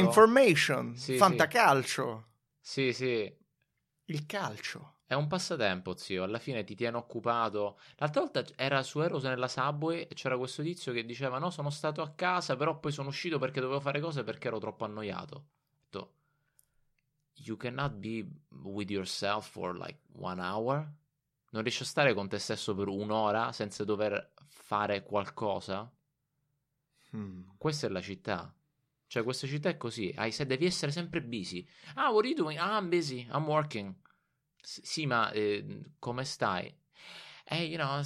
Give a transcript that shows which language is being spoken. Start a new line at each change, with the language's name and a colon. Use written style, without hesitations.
Italian: Information, sì, fantacalcio. Sì. Sì, sì. Il calcio. È un passatempo, zio, alla fine ti tiene occupato. L'altra volta era su Eros nella Subway e c'era questo tizio che diceva no, sono stato a casa, però poi sono uscito perché dovevo fare cose perché ero troppo annoiato.
English: Detto, you cannot be with yourself for like one hour?
Italian: Non riesci a stare con te stesso per un'ora senza dover fare qualcosa? Questa è la città. Cioè, questa città è così. Devi essere sempre busy. Ah, what are you doing? Ah, I'm busy. I'm working. Sì, ma come stai?
English: You know,